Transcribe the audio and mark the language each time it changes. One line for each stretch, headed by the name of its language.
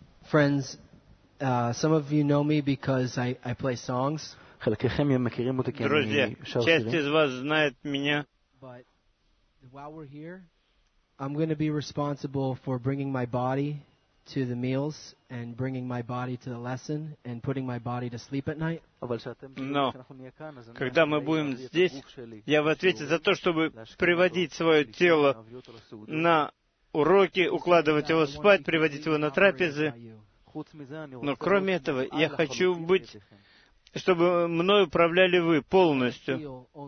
English: Friends, some of you know me because I play songs.
Russian: Друзья, часть из вас знает меня.
English: But while we're here, I'm going to be responsible for bringing my body to the meals and bringing my body to the lesson and putting my body to sleep at night.
Russian: Но когда мы будем здесь, я в ответе за то, чтобы приводить свое тело на уроки, укладывать его спать, приводить его на трапезы. Но кроме этого, я хочу быть, чтобы мной управляли вы полностью.